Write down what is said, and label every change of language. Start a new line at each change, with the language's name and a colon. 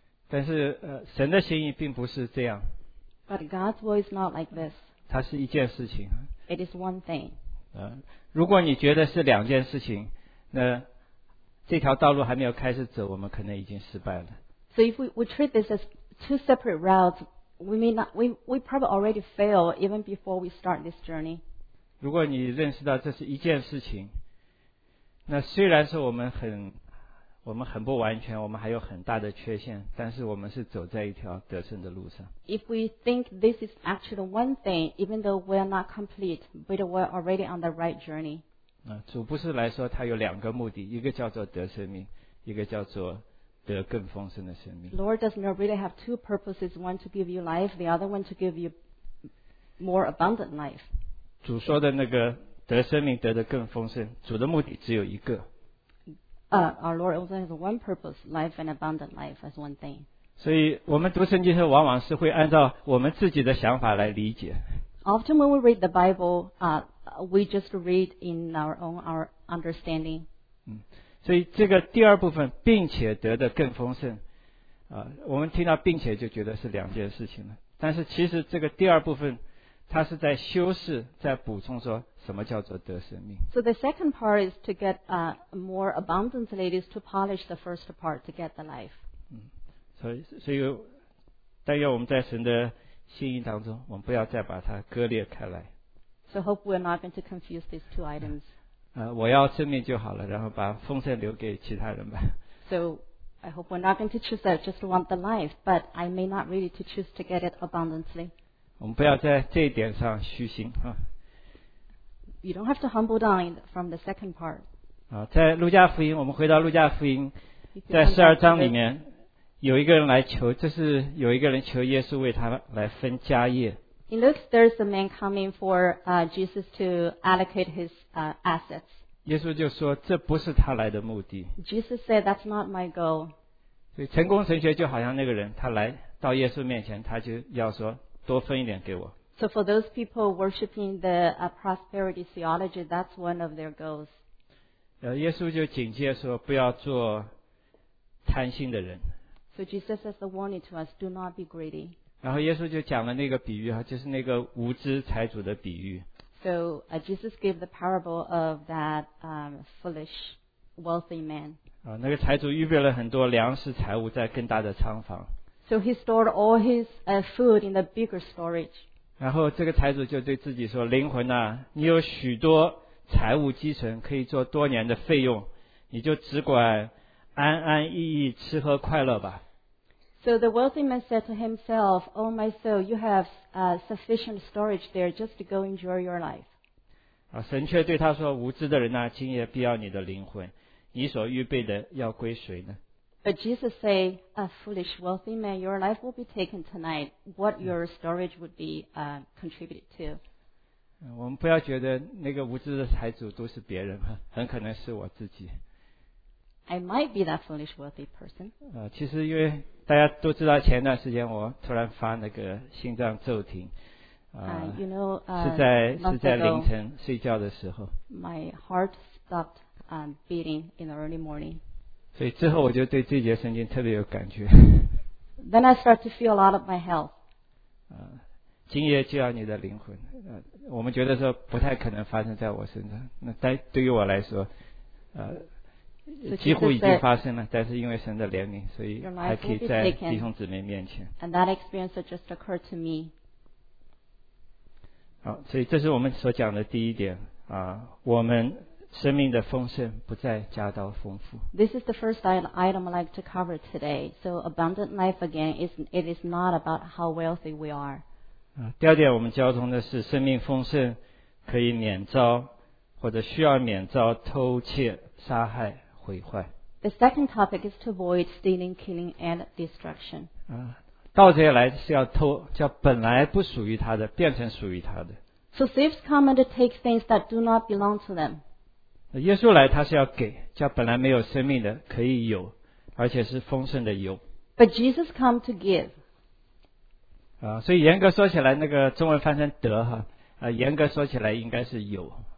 Chinese: 但是神的心意并不是这样。
English: But God's will is not like this.
Chinese: 它是一件事情。
English: It is one thing.
Chinese: 如果你觉得是两件事情，那这条道路还没有开始走，我们可能已经失败了。
English: So if we treat this as two separate routes, we probably already failed even before we start this journey.
Chinese: 如果你认识到这是一件事情，那虽然说我们很我们很不完全，我们还有很大的缺陷，但是我们是走在一条得胜的路上。
English: If we think this is actually one thing, even though we are not complete, but we are already on the right journey.
Chinese: 主不是来说他有两个目的，一个叫做得生命，一个叫做得更丰盛的生命。
English: Lord does not really have two purposes, one to give you life, the other one to give you more abundant life.
Chinese: 主说的那个得生命得的更丰盛，主的目的只有一个。
English: Our Lord also has one purpose, life and abundant life as one thing.
Chinese: 所以我们读圣经的时候往往是会按照我们自己的想法来理解。
English: Often when we read the Bible, we just read in our own understanding.
Chinese: 所以这个第二部分并且得的更丰盛，我们听到并且就觉得是两件事情了，但是其实这个第二部分他是在修饰，在补充说什么叫做得生命。
English: So the second part is to get more abundantly, is to polish the first part to get the life.
Chinese: 所以，但愿我们在神的心意当中，我们不要再把它割裂开来。
English: So hope we're not going to confuse these two items.
Chinese: 我要生命就好了，然后把丰盛留给其他人吧。
English: So I hope we're not going to choose that, just want the life, but I may not really to choose to get it abundantly.
Chinese: 我们不要在这一点上虚心啊。
English: You don't have to humble down from the second part.
Chinese: 在路加福音，我们回到路加福音，在十二章里面，有一个人来求，这是有一个人求耶稣为他来分家业。
English: In Luke, there's a man coming for Jesus to allocate his assets.
Chinese: 耶稣就说，这不是他来的目的。
English: Jesus said, "That's not my goal."
Chinese: 所以成功神学就好像那个人，他来到耶稣面前，他就要说。多分一点给我。
English: So for those people worshiping the prosperity theology, that's one of their goals.
Chinese: 耶稣就警戒说不要做贪心的人。
English: So Jesus has a warning to us, do not be greedy.
Chinese: 然后耶稣就讲了那个比喻，就是那个无知财主的比喻。
English: So Jesus gave the parable of that foolish wealthy man.
Chinese: 那个财主预备了很多粮食财物在更大的仓房。
English: So he stored all his food in the bigger storage.
Chinese: 然后这个财主就对自己说，灵魂啊，你有许多财物积存，可以做多年的费用，你就只管安安逸逸吃喝快乐吧。
English: So the wealthy man said to himself, Oh my soul, you have sufficient storage there, just to go enjoy your life.
Chinese: 神却对他说，无知的人啊，今夜必要你的灵魂，你所预备的要归谁呢？
English: But Jesus say, a foolish wealthy man, your life will be taken tonight. What your storage would be contributed to?
Chinese: 我们不要觉得那个无知的财主都是别人，很可能是我自己。
English: I might be that foolish wealthy person.
Chinese: 其实因为大家都知道，前段时间我突然发那个心脏骤停。是在凌晨睡觉的时候。
English: My heart stopped beating in the early morning.
Chinese: 所以之后我就对这节圣经特别有感觉。
English: Then I start to feel a lot of my health.
Chinese: 今夜就要你的灵魂。我们觉得说不太可能发生在我身上，那但对于我来说，几乎已经发生了。但是因为神的怜悯，所以还可以在弟兄姊妹面前。
English: And that experience just occurred to me.
Chinese: 好，所以这是我们所讲的第一点啊，我们。生命的丰盛不再家道丰富。
English: This is the first item I'd like to cover today. So abundant life again, it is not about how wealthy we are.
Chinese: 第二点我们交通的是生命丰盛可以免遭或者需要免遭偷窃、杀害、毁坏。
English: The second topic is to avoid stealing, killing and destruction.
Chinese: 盗贼来是要偷，叫本来不属于他的变成属于他的。
English: So thieves come and take things that do not belong to them.
Chinese: 耶稣来他是要给，叫本来没有生命的可以有，而且是丰盛的有。
English: But Jesus come to give.
Chinese: 所以严格说起来那个中文翻成得哈，严格说起来应该是有。